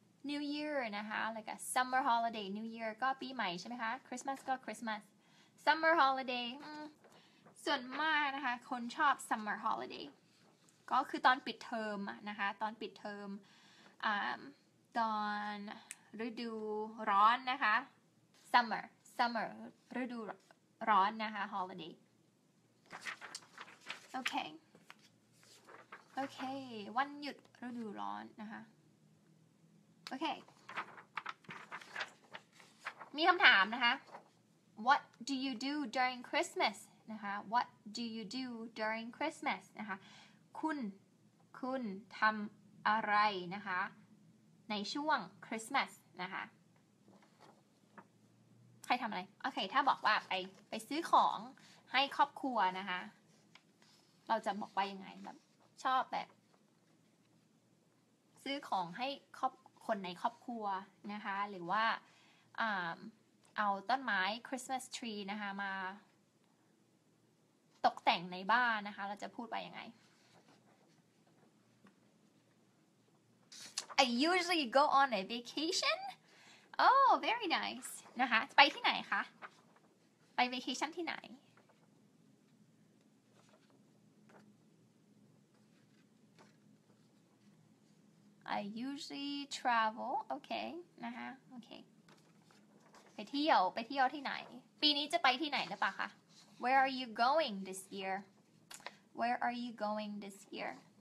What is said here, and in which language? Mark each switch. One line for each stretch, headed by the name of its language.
Thai: New Year นะคะ
English: like a summer holiday
Thai: New Year ก็ปีใหม่ใช่ไหมคะ Christmas ก็ Christmasummer holiday ส่วนมากนะคะคนชอบ summer holiday ก็คือตอนปิดเทอมนะคะตอนปิดเทอมตอนฤดูร้อนนะคะ summer ฤดูร้อนนะคะ holiday okay วันหยุดฤดูร้อนนะคะ okay มีคำถามนะคะ
English: What do you do during Christmas? นะคะ What do you do during Christmas?
Thai: นะคะคุณทำอะไรนะคะในช่วง Christmas? นะคะใครทำอะไรโอเคถ้าบอกว่าไปซื้อของให้ครอบครัวนะคะเราจะบอกว่ายังไงแบบชอบแบบซื้อของให้ครอบคนในครอบครัวนะคะหรือว่าเอาต้นไม้ Christmas tree นะคะมาตกแต่งในบ้านนะคะเราจะพูดไปยังไง
English: I usually go on a vacation Oh very nice
Thai: นะคะไปที่ไหนคะไป vacation ที่ไหน
English: I usually travel okay นะคะ okay
Thai: ไปเที่ยวที่ไหนปีนี้จะไปที่ไหนหรือเปล่าคะ
English: Where are you going this year? Where are you going this year?